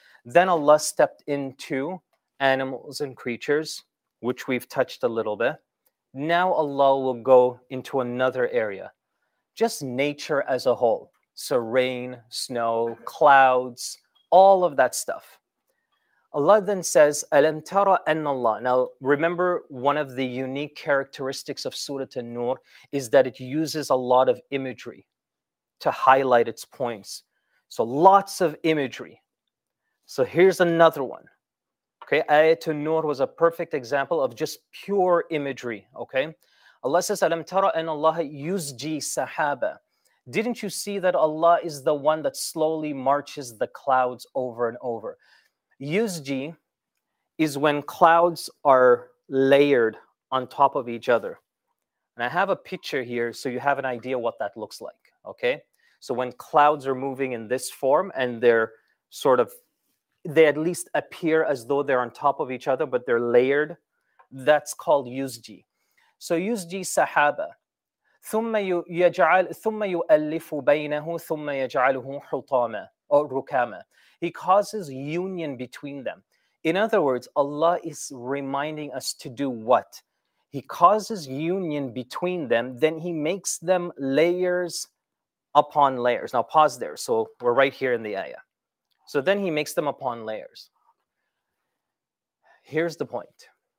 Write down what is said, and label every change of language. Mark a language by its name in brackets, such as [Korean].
[English] Then Allah stepped into animals and creatures, which we've touched a little bit. Now Allah will go into another area, just nature as a whole. So rain, snow, clouds, all of that stuff. Allah then says, [Arabic] أَلَمْ تَرَ أَنَّ اللَّهِ. [English] Now, remember, one of the unique characteristics of Surah An-Nur is that it uses a lot of imagery to highlight its points. So lots of imagery. So here's another one. Okay, Ayatul Nur was a perfect example of just pure imagery. Okay, Allah says, [Arabic] أَلَمْ تَرَ أَنَّ اللَّهَ يُزْجِي سَحَابًا. [English] Didn't you see that Allah is the one that slowly marches the clouds over and over? Yuzji is when clouds are layered on top of each other. And I have a picture here so you have an idea what that looks like, okay? So when clouds are moving in this form and they're sort of, they at least appear as though they're on top of each other, but they're layered, that's called yuzji. So yuzji sahaba. [Arabic] ثُمَّ يُؤَلِّفُ بَيْنَهُ ثُمَّ يَجْعَلُهُ حُطَامًا أو رُكَامًا. [English] He causes union between them. In other words, Allah is reminding us to do what? He causes union between them, then He makes them layers upon layers. Now pause there. So we're right here in the ayah. So then He makes them upon layers. Here's the point.